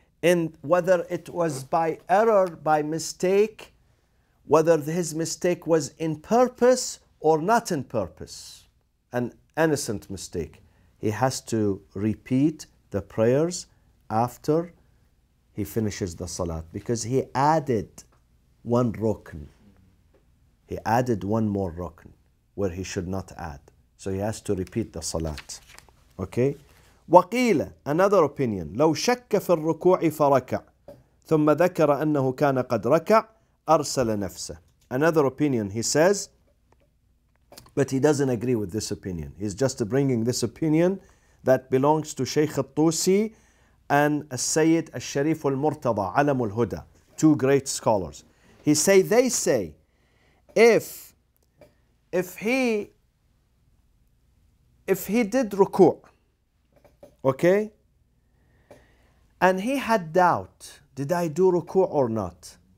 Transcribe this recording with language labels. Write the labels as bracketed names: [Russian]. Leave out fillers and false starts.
[English] And whether it was by error, by mistake, whether his mistake was in purpose or not in purpose, an innocent mistake, he has to repeat the prayers after he finishes the salat, because he added 1 rukn. He added 1 more rukn where he should not add. So he has to repeat the salat. Okay? [Arabic] وقيل, [English] another opinion, [Arabic] لو شك في الركوع فركع ثم ذكر أنه كان قد ركع أرسل نفسه. [English] Another opinion, he says, but he doesn't agree with this opinion. He's just bringing this opinion that belongs to Shaykh al-Tusi and Sayyid al-Sharif al-Murtada, Alam al-Huda, 2 great scholars. He say, they say, if he did ruku', okay, and he had doubt, did I do ruku' or not?